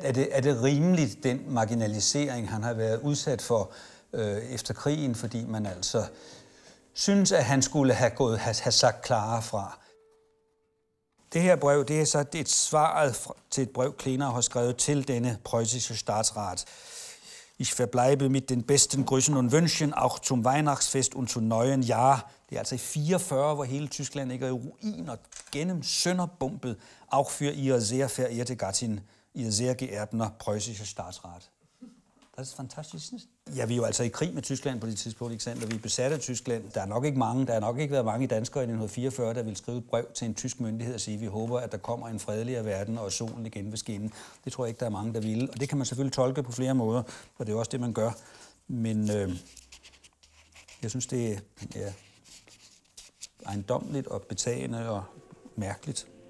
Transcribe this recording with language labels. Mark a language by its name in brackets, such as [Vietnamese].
[Danish] Er det rimeligt, den marginalisering, han har været udsat for efter krigen, fordi man altså synes, at han skulle have sagt klare fra? Det her brev, det er så et svaret til et brev, Klenau har skrevet til denne [German] preussische Staatsrat. Ich verbleibe mit den besten Grüßen und Wünschen auch zum Weihnachtsfest und zum neuen Jahr. [Danish] Det er altså i 44, hvor hele Tyskland ligger i ruiner gennem sønderbumpet. [German] Auch für Ihre sehr verehrte Gattin, Ihr sehr geehrter preußischer Staatsrat. Das ist fantastisch. [Danish] Ja, vi er jo altså i krig med Tyskland på det tidspunkt, Alexander. Vi er besat af Tyskland. Der er nok ikke mange, der har nok ikke været mange danskere i 1944, der vil skrive et brev til en tysk myndighed og sige, vi håber, at der kommer en fredeligere verden, og solen igen vil skinne. Det tror jeg ikke, der er mange, der vil. Og det kan man selvfølgelig tolke på flere måder, og det er også det, man gør. Men jeg synes, det er ejendommeligt og betagende og mærkeligt.